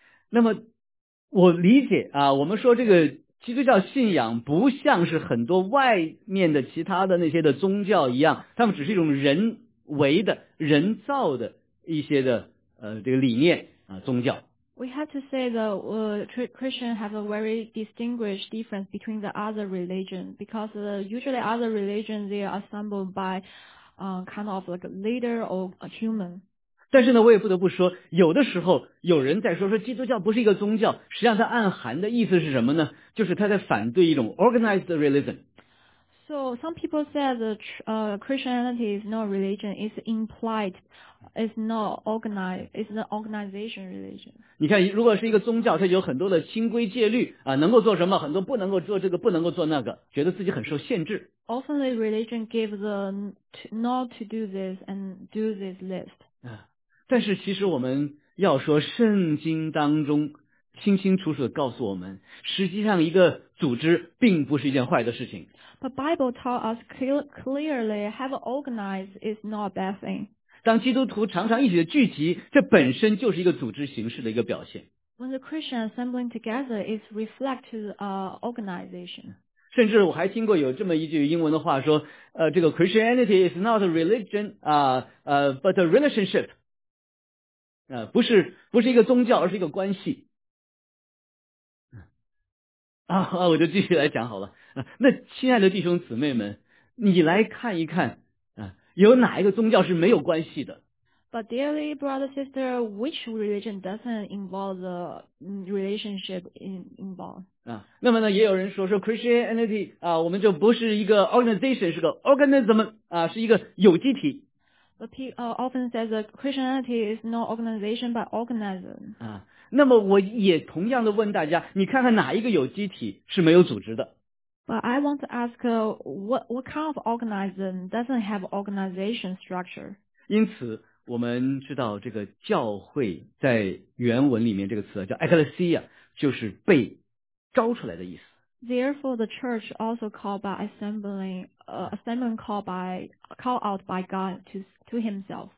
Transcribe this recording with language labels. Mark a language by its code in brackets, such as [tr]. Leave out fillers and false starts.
[zh] 那么我理解啊，我们说这个基督教信仰不像是很多外面的其他的那些的宗教一样，他们只是一种人为的人造的一些的这个理念啊宗教。 [en] We have to say that Christians have a very distinguished difference between the other religion, because usually other religions they are assembled by kind of like a leader or a human. [zh] 但是呢，我也不得不说，有的时候有人在说基督教不是一个宗教，实际上它暗含的意思是什么呢？就是他在反对一种 [en] organized religion。 So some people say the Christianity is not religion, it's implied, it's not organized, it's an organization religion. [zh] 你看，如果是一个宗教，它有很多的清规戒律啊，能够做什么，很多不能够做这个，不能够做那个，觉得自己很受限制。 [en] Often the religion gives the not to do this and do this list. [zh] 但是其实我们要说，圣经当中清清楚楚地告诉我们，实际上一个组织并不是一件坏的事情。 [en] But Bible taught us clearly, have organized is not a bad thing. [zh] 当基督徒常常一起的聚集，这本身就是一个组织形式的一个表现。 [en] When the Christian assembling together is reflected organization. [zh] 甚至我还听过有这么一句英文的话说，这个 [en] Christianity is not a religion, but a relationship. [zh] 不是一个宗教，而是一个关系。我就继续来讲好了。那亲爱的弟兄姊妹们，你来看一看，有哪一个宗教是没有关系的？ [en] But dearly brother sister, which religion doesn't involve the relationship involved? [zh] 那么呢，也有人说 Christianity 我们就不是一个 organization, 是个 organism 是一个有机体。 [en] But people often say that Christianity is not organization but organism. [zh] 那么我也同样的问大家，你看看哪一个有机体是没有组织的？ [en] But I want to ask what kind of organism doesn't have organization structure? [zh] 因此我们知道这个教会在原文里面这个词叫 ecclesia, 就是被招出来的意思。 [en] Therefore the church also called by assembling called out by God to himself.